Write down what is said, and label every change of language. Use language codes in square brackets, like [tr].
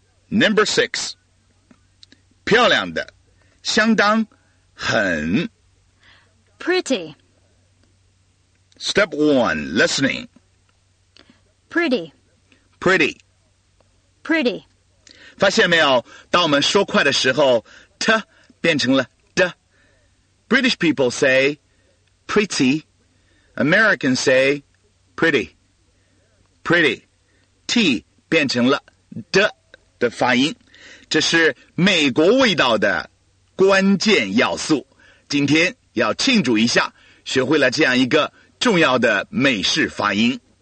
[en] Number six， [zh] 漂亮的，相当，很。 [en] Pretty。 Step one， listening。 Pretty， pretty， pretty。 [zh] 发现没有，当我们说快的时候 t 变成了 d。 [en] British people say pretty， Americans say pretty， pretty， t [zh] 变成了 d的发音，这是美国味道的关键要素。今天要庆祝一下，学会了这样一个重要的美式发音。